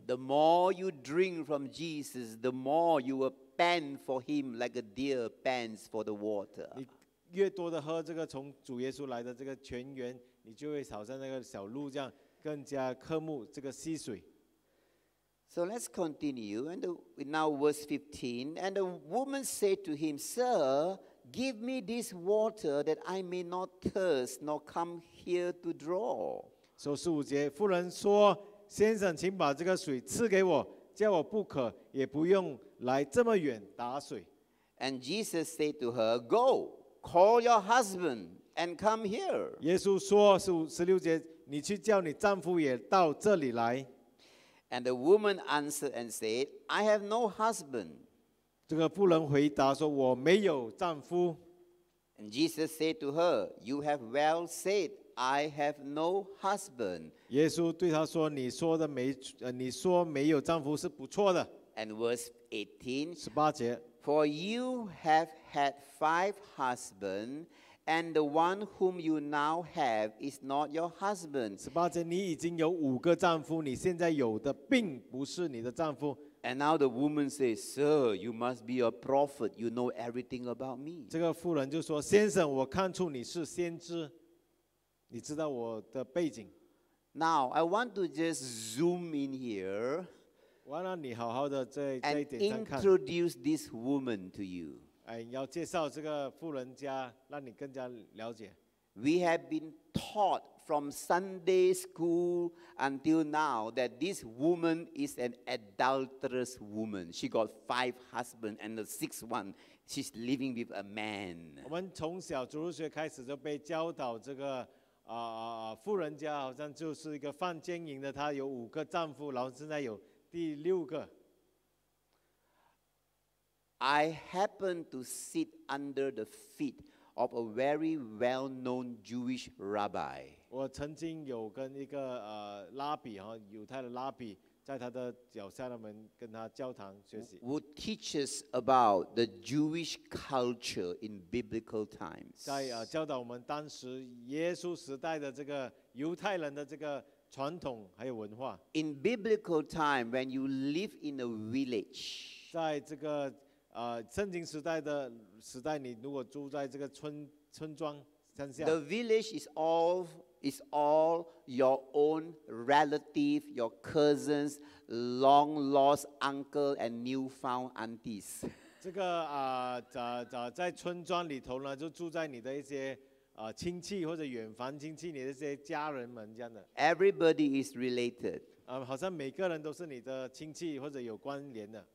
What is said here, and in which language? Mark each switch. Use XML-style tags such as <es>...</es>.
<en>The more you drink from Jesus, the more you will pant for him like a deer pants for the water.</en> <zh>你越多的喝这个从主耶稣来的这个泉源, 你就会好像那个小鹿这样更加渴慕这个溪水。</zh> <en>So let's continue, and now verse 15, and the woman said to him, sir, give me this water that I may not thirst, nor come here to draw.</en> <zh>So 15节，妇人说，先生，请把这个水赐给我，叫我不渴，也不用来这么远打水。</zh> <en>And Jesus said to her, go, call your husband, and come here.</en> <zh>耶稣说，十六节,And the</zh> <en>woman answered and said, I have no husband.</en> <zh>这个妇人回答说,</zh> <en>and Jesus said to her, you have well said, I have no husband.</en> <zh>耶稣对他说, 你说没有丈夫是不错的。</zh> <en>And verse 18,</en> <zh>18节,</zh> <en>for you have had five husbands, and the one whom you now have is not your husband.</en> <zh>18节, 你已经有五个丈夫, 你现在有的并不是你的丈夫。</zh> <en>And now the woman says, sir, you must be a prophet. You know everything about me.</en> <zh>这个妇人就说, 先生, 我看出你是先知。你知道我的背景。</zh> <en>Now, I want to just zoom in here.</en> <zh>我让你好好的在这一点上看。</zh> <en>And introduce this woman to you.</en> <zh>要介绍这个妇人家, 让你更加了解。</zh> <en>We have been taught from Sunday school until now that this woman is an adulterous woman. She got five husbands and the sixth one, she's living with a man.</en> <zh>我们从小主日学开始就被教导这个 妇人家好像就是一个犯奸淫的, 她有五个丈夫, 然后现在有第六个。</zh> <en>I happen to sit under the feet of a very well-known Jewish rabbi.</en> <zh>我曾经有跟一个 拉比, 犹太的拉比, 在他的脚下的门跟他交谈学习。</zh> <en>Who teaches about the Jewish culture in biblical times.</en> <zh>在, 教导我们当时耶稣时代的这个犹太人的这个传统, 还有文化。</zh> <en>In biblical time, when you live in a village,</en> <zh>在这个 圣经时代的时代，你如果住在这个村庄乡下，</zh> <en>the village is all your own relative, your cousins, long lost uncle and new found aunties.</en> <zh>这个 在村庄里头呢，就住在你的一些 亲戚或者远房亲戚，你的一些家人们这样的。</zh> <en>Everybody is related.</en> <zh>好像每个人都是你的亲戚或者有关联的。</zh>